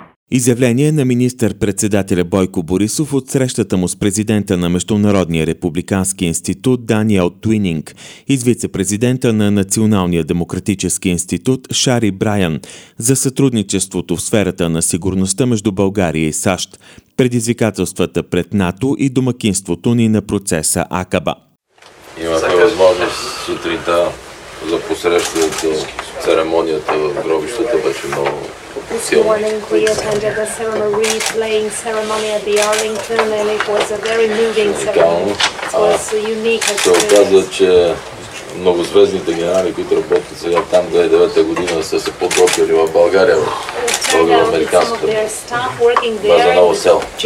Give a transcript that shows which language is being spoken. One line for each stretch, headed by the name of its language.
Bulgarian: Изявление на министър-председателя Бойко Борисов от срещата му с президента на Международния републикански институт Даниел Туининг и с вице-президента на Националния демократически институт Шари Брайан за сътрудничеството в сферата на сигурността между България и САЩ, предизвикателствата пред НАТО и домакинството ни на процеса АКАБА. Имахме възможност сутринта за посрещането церемонията в гробищата, беше много.
English: This morning we attended a ceremony, replaying ceremony at the Arlington, and it was a very moving ceremony. It was a unique experience.
Bulgarian: Многозвездните генерали, които работят сега там 2009 година, са се подготвили в България, в българо-американската база Ново Село.